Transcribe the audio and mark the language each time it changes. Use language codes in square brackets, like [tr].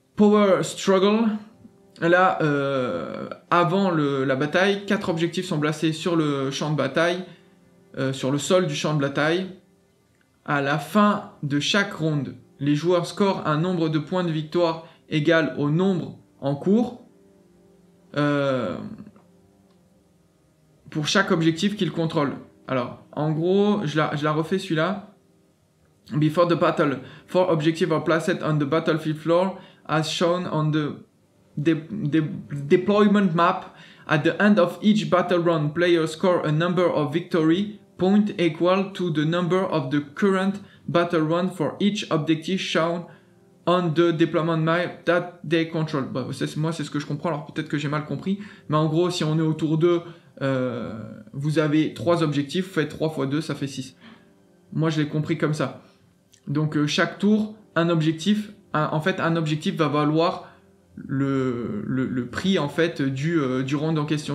[fr] Power Struggle, là, avant la bataille, 4 objectifs sont placés sur le champ de bataille, sur le sol du champ de bataille. À la fin de chaque round, les joueurs scorent un nombre de points de victoire égal au nombre en cours pour chaque objectif qu'ils contrôlent. Alors, en gros, je la refais celui-là. [en] Before the battle, 4 objectives are placed on the battlefield floor as shown on the deployment map. At the end of each battle round, players score a number of victory point equal to the number of the current battle run for each objective shown on the deployment map that they control. [fr] Bah, c'est ce que je comprends, alors peut-être que j'ai mal compris. Mais en gros, si on est autour d'eux, vous avez 3 objectifs, vous faites 3 fois 2, ça fait 6. Moi, je l'ai compris comme ça. Donc, chaque tour, un objectif, un objectif va valoir le prix en fait, du round en question.